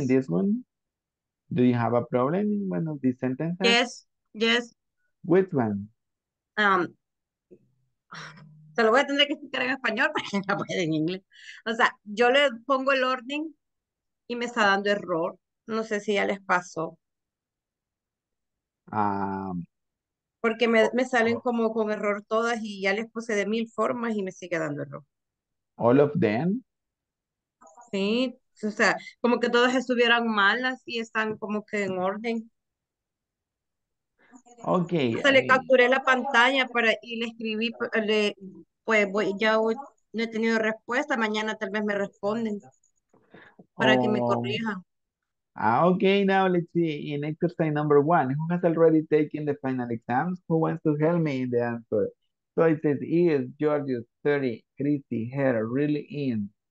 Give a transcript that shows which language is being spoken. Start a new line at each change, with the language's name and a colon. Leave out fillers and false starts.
English: In this one, do you have a problem in one of these sentences? Yes. Which one?
Spanish: Se lo voy a tener que explicar en español porque no puede en inglés. O sea, yo le pongo el orden y me está dando error. No sé si ya les pasó. Porque me salen como con error todas y ya les puse de mil formas y me sigue dando error.
English: All of them?
Spanish: Sí, O sea, como que todas estuvieran malas y están como que en orden. Ok. Hasta le capturé la pantalla para, y le escribí, le, pues voy, ya voy, no he tenido respuesta, mañana tal vez me responden para que me corrijan.
English: Okay, now let's see. In exercise number one, who has already taken the final exams? Who wants to help me in the answer? So it says, is Georgius 30, Christy, her, really in?